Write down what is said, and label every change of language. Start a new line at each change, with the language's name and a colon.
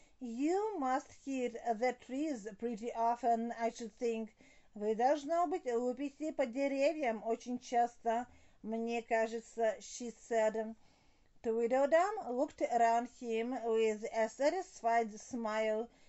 English: You must hit the trees pretty often, I should think.
Russian: Вы, должно быть, лупите по деревьям очень часто, мне кажется,
English: she said. Tweedledum looked around him with a satisfied smile.